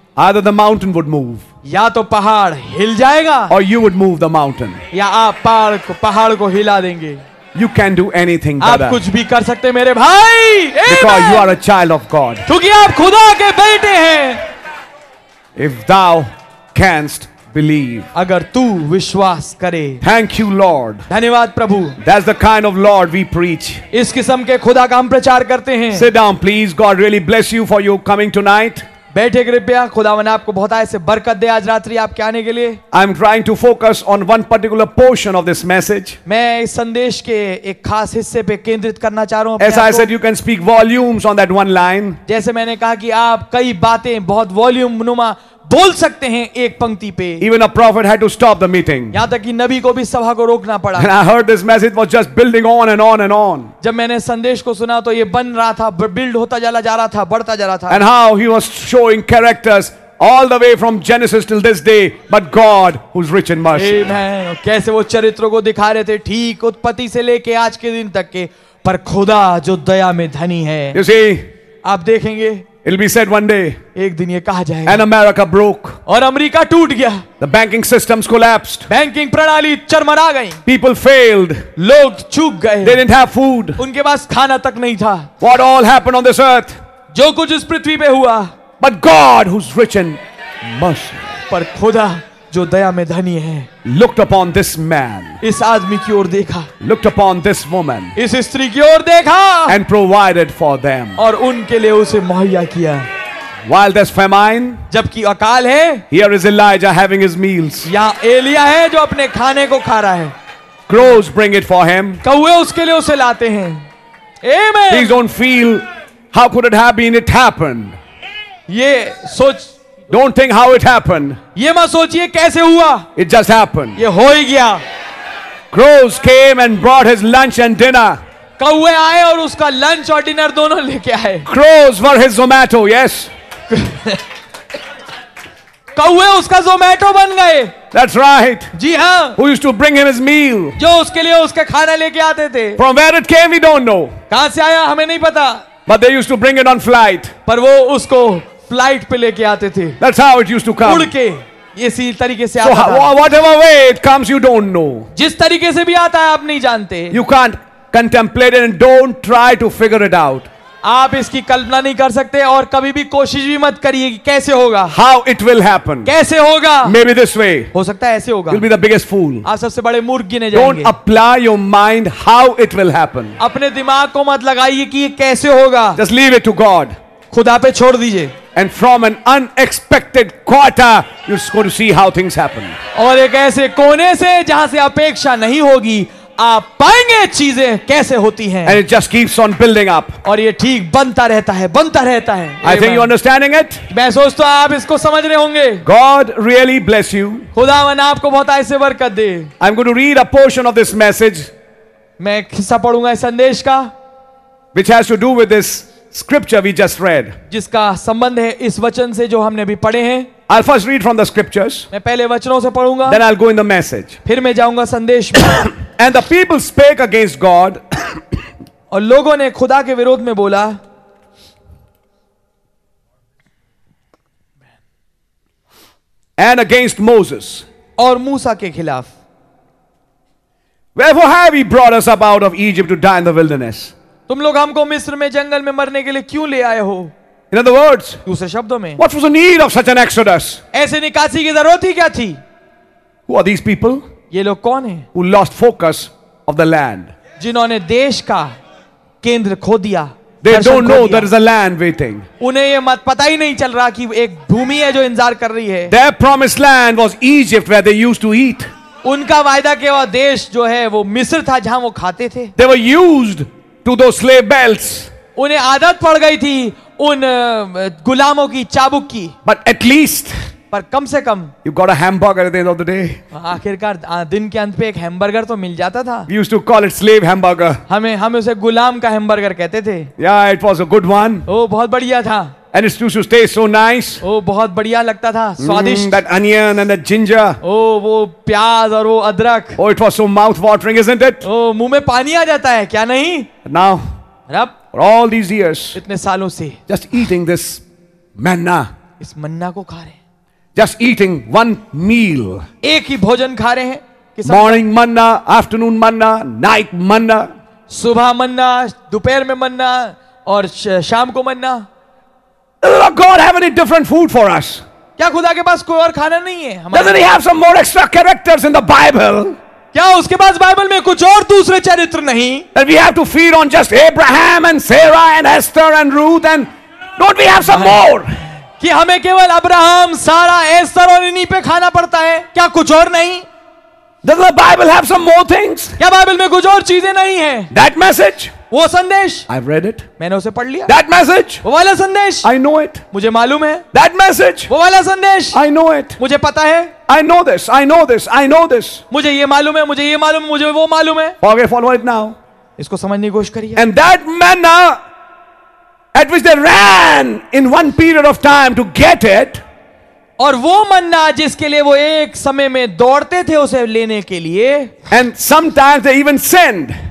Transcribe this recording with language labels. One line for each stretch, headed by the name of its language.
English: Either the mountain would move.
Hindi: या तो पहाड़ हिल जाएगा.
English: Or you would move the mountain.
Hindi: या आप पहाड़ को हिला देंगे.
English: You can do anything, brother.
Hindi: आप कुछ भी कर सकते हैं मेरे भाई.
English: Because you are a child of God.
Hindi: क्योंकि आप खुदा के बेटे हैं.
English: If thou canst believe.
Hindi: अगर तू विश्वास करे.
English: Thank you, Lord.
Hindi: धन्यवाद प्रभु.
English: That's the kind of Lord we preach.
Hindi: इस किस्म के खुदा का हम प्रचार करते हैं.
English: Sit down, please. God really bless you for your coming tonight.
Hindi: बैठे कृपया खुदावन आपको बहुत ऐसे बरकत दे आज रात्रि आपके आने के लिए
English: I am trying to focus on one particular portion of this message
Hindi: मैं इस संदेश के एक खास हिस्से पे केंद्रित करना चाह रहा हूँ
English: As I said, you can speak volumes on that one line.
Hindi: जैसे मैंने कहा कि आप कई बातें बहुत वॉल्यूम नुमा बोल सकते हैं एक पंक्ति पे
English: even a prophet had to stop the meeting
Hindi: यहां तक कि नबी को भी सभा को रोकना पड़ा
English: and I heard this message was just building on and on and on
Hindi: जब मैंने संदेश को सुना तो ये बन रहा था बिल्ड होता चला जा रहा था बढ़ता जा रहा था
English: And how he was showing characters All the way from Genesis till this day, but God, who's rich in mercy. Amen.
Hindi: कैसे वो चरित्रों को दिखा रहे थे ठीक उत्पत्ति से लेके आज के दिन तक के पर खुदा जो दया में धनी है
English: You see,
Hindi: आप देखेंगे
English: It'll be said one day.
Hindi: एक दिन ये कहा जाएगा.
English: And America broke.
Hindi: और अमेरिका टूट गया.
English: The banking systems collapsed.
Hindi: Banking प्रणाली चरमरा गई.
English: People failed.
Hindi: लोग चूक गए.
English: They didn't have food.
Hindi: उनके पास खाना तक नहीं था.
English: What all happened on this earth?
Hindi: जो कुछ इस पृथ्वी पे हुआ.
English: But God, who's rich in mercy.
Hindi: पर खुदा जो दया में धनी है.
English: Looked upon this man.
Hindi: इस आदमी की ओर देखा.
English: Looked upon this woman.
Hindi: इस स्त्री की ओर देखा.
English: And provided for them.
Hindi: और उनके लिए उसे मुहैया किया.
English: While there's famine,
Hindi: जबकि अकाल है.
English: Here is Elijah having his meals.
Hindi: यहाँ एलिया है जो अपने खाने को खा रहा है.
English: Crows bring it for him.
Hindi: कौवे उसके लिए उसे लाते हैं.
English: Amen. Please don't feel how could it have been? It happened.
Hindi: ये सोच.
English: Don't think how it happened.
Hindi: ये मत सोचिए कैसे हुआ.
English: It just happened.
Hindi: ये हो ही गया.
English: Crows came and brought his lunch and dinner.
Hindi: कौवे आए और उसका लंच और डिनर दोनों लेके आए.
English: Crows were his Zomato, yes.
Hindi: कौवे उसका Zomato बन गए.
English: That's right.
Hindi: जी हाँ.
English: Who used to bring him his meal?
Hindi: जो उसके लिए उसका खाना लेके आते थे.
English: From where it came, we don't know.
Hindi: कहाँ से आया हमें नहीं पता.
English: But they used to bring it on flight.
Hindi: पर वो उसको फ्लाइट पे लेके आते थे.
English: That's how it used to come.
Hindi: उड़के इसी तरीके से आता था.
English: So whatever way it comes, you don't know.
Hindi: जिस तरीके से भी आता है आप नहीं जानते.
English: You can't contemplate it and don't try to figure it out.
Hindi: आप इसकी कल्पना नहीं कर सकते और कभी भी कोशिश भी मत करिए कि कैसे होगा.
English: How it will happen?
Hindi: कैसे होगा?
English: Maybe this way.
Hindi: हो सकता है ऐसे होगा.
English: You'll be the biggest fool.
Hindi: आप सबसे बड़े मूर्ख गिने जाएंगे.
English: Don't apply your mind how it will happen.
Hindi: अपने दिमाग को मत लगाइए कि ये कैसे होगा.
English: Just leave it to God.
Hindi: खुदा पे छोड़ दीजिए.
English: And from an unexpected quarter, you're going to see how things happen.
Hindi: और एक ऐसे कोने से जहाँ से अपेक्षा नहीं होगी, आप पाएंगे चीजें कैसे होती हैं.
English: And it just keeps on building up.
Hindi: और ये ठीक बनता रहता है, बनता रहता है.
English: I think you're understanding it.
Hindi: मैं सोचता हूँ आप इसको समझ रहे होंगे.
English: God really bless you.
Hindi: खुदावन आपको बहुत ऐसे बरकत दे.
English: I'm going to read a portion of this message.
Hindi: मैं एक हिस्सा पढ़ूंगा इस संदेश का.
English: Which has to do with this scripture we just read.
Hindi: जिसका संबंध है इस वचन से जो हमने अभी पढ़े हैं.
English: I'll first read from the scriptures.
Hindi: मैं पहले वचनों से पढूंगा.
English: Then I'll go in the message.
Hindi: फिर मैं जाऊंगा संदेश में.
English: And the people spake against God.
Hindi: और लोगों ने खुदा के विरोध में बोला.
English: And against Moses.
Hindi: और मूसा के खिलाफ.
English: Wherefore have he brought us up out of Egypt to die in the wilderness?
Hindi: तुम लोग हमको मिस्र में जंगल में मरने के लिए क्यों ले आए हो?
English: In other words,
Hindi: दूसरे शब्दों में,
English: what was the need of such an exodus?
Hindi: ऐसे निकासी की जरूरत ही क्या थी?
English: Who are these people?
Hindi: ये लोग कौन हैं?
English: Who lost focus of the land?
Hindi: जिन्होंने देश का केंद्र खो दिया.
English: They don't know there is a land waiting.
Hindi: उन्हें ये मत पता ही नहीं चल रहा कि एक भूमि है जो इंतजार कर रही है.
English: Their promised land was Egypt, where they used to eat.
Hindi: उनका वायदा किया हुआ देश जो है वो मिस्र था जहां वो खाते थे.
English: They were used to those slave belts.
Hindi: उन्हें आदत पड़ गई थी उन गुलामों की चाबुक की.
English: But at least,
Hindi: पर कम से कम,
English: you got a hamburger at the end of the day.
Hindi: आखिरकार दिन के अंत पे एक हैमबर्गर तो मिल जाता था.
English: We used to call it slave hamburger.
Hindi: हमें उसे गुलाम का हैमबर्गर कहते थे.
English: Yeah, it was a good one.
Hindi: ओ बहुत बढ़िया था.
English: And it used to taste so nice.
Hindi: ओ बहुत बढ़िया लगता था, स्वादिष्ट.
English: That onion and that ginger.
Hindi: ओ वो प्याज और वो अदरक.
English: Oh, it was so mouth-watering, isn't it?
Hindi: ओ मुंह में पानी आ जाता है, क्या नहीं?
English: Now,
Hindi: रब,
English: for all these years,
Hindi: इतने सालों से,
English: just eating this manna.
Hindi: इस मन्ना को खा रहे हैं.
English: Just eating one meal.
Hindi: एक ही भोजन खा रहे हैं.
English: Morning manna, afternoon manna, night manna.
Hindi: सुबह मन्ना, दोपहर में मन्ना और शाम को मन्ना.
English: Does God have any different food for us?
Hindi: क्या खुदा के पास कोई और खाना नहीं है?
English: Doesn't He have some more extra characters in the Bible?
Hindi: क्या उसके पास बाइबल में कुछ और दूसरे चरित्र नहीं?
English: That we have to feed on just Abraham and Sarah and Esther and Ruth and don't we have some more?
Hindi: कि हमें केवल अब्राहम, सारा, एस्थर और इन्हीं पे खाना पड़ता है? क्या कुछ और नहीं?
English: Does the Bible have some more things?
Hindi: क्या बाइबल में कुछ और चीजें नहीं है?
English: That message.
Hindi: वो संदेश.
English: I've read it.
Hindi: मैंने उसे पढ़ लिया.
English: That message.
Hindi: वो वाला संदेश.
English: I know it.
Hindi: मुझे मालूम है.
English: That message.
Hindi: वो वाला संदेश.
English: I know it.
Hindi: मुझे पता है.
English: I know this. I know this. I know this.
Hindi: मुझे ये मालूम है. मुझे ये मालूम. मुझे वो मालूम है.
English: Okay, follow it now.
Hindi: इसको समझने की कोशिश करिए.
English: And that manna, at which they ran in one period of time to get it.
Hindi: और वो मन्ना जिसके लिए वो एक समय में दौड़ते थे उसे लेने के लिए.
English: And sometimes they even send.